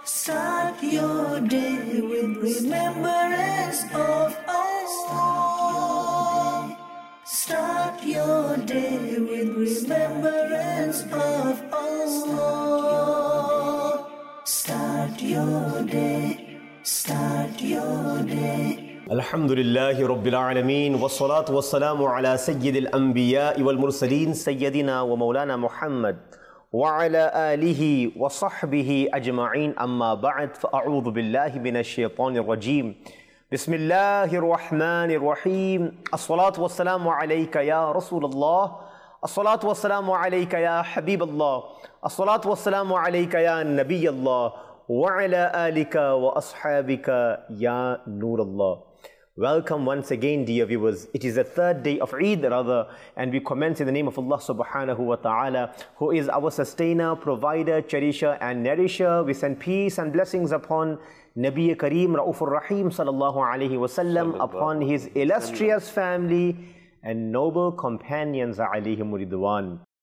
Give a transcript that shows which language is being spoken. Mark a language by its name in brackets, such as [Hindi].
[English] Start your day with remembrance of us. Start your day with remembrance of us. Start your day. Start your day. [Arabic] الحمد لله رب العالمين والصلاة والسلام على سيد الأنبياء والمرسلين سيدنا ومولانا محمد وعلى آله وصحبه أجمعين أما بعد فأعوذ بالله من الشيطان الرجيم بسم الله الرحمن الرحيم الصلاة والسلام عليك يا رسول الله الصلاة والسلام عليك يا حبيب الله الصلاة والسلام عليك يا نبي الله وعلى آلك وأصحابك يا نور الله. [English] Welcome once again, dear viewers. It is the third day of Eid, rather, and we commence in the name of Allah subhanahu wa ta'ala, who is our sustainer, provider, cherisher, and nourisher. We send peace and blessings upon Nabi Kareem, Raufur Rahim, sallallahu alayhi wa sallam, upon his illustrious family and noble companions, alayhim uridwan.